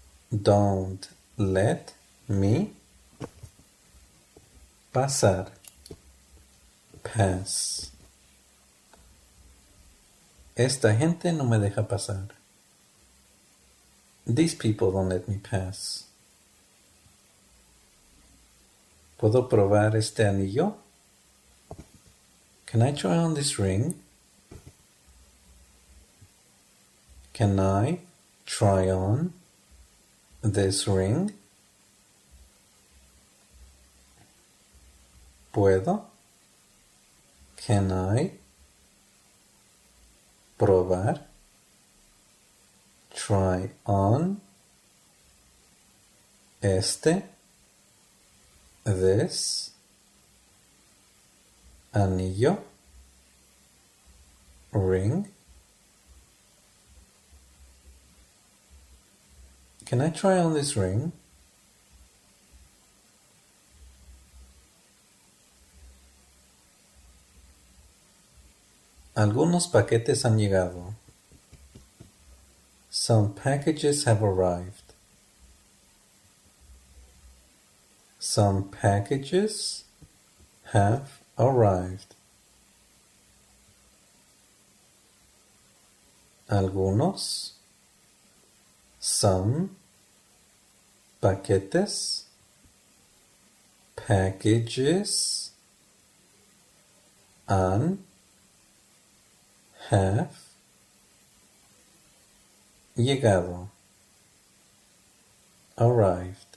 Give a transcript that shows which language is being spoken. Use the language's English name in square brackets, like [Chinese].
[English] Don't let me [Spanish] pasar. [English] Pass. [Spanish] Esta gente no me deja pasar. [English] These people don't let me pass. [Spanish] ¿Puedo probar este anillo? [English] Can I try on this ring? Can I try on this ring? [Spanish] ¿Puedo? [English] Can I [Spanish] probar? [English] Try on [Spanish] este, [English] this [Spanish] anillo, [English] ring. Can I try on this ring? [Spanish] Algunos paquetes han llegado. [English] Some packages have arrived. Some packages have arrived. [Spanish] Algunos. [English] Some [Spanish] paquetes, [English] packages, and have [Spanish] llegado, [English] arrived.